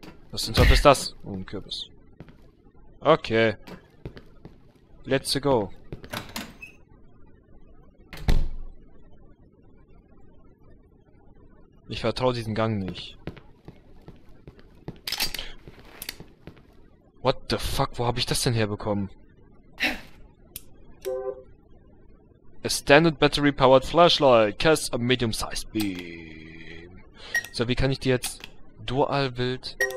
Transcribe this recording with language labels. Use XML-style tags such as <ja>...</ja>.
<de>Was zum Teufel ist das? Oh, ein Kürbis. Okay.</de> <en>Let's go.</en> <de>Ich vertraue diesen Gang nicht.</de> <en>What the fuck?</en> <de>Wo habe ich das denn herbekommen?</de> <en>A standard battery powered flashlight. Cast a medium sized beam.</en> <de>So, wie kann ich die jetzt dual wild?</de>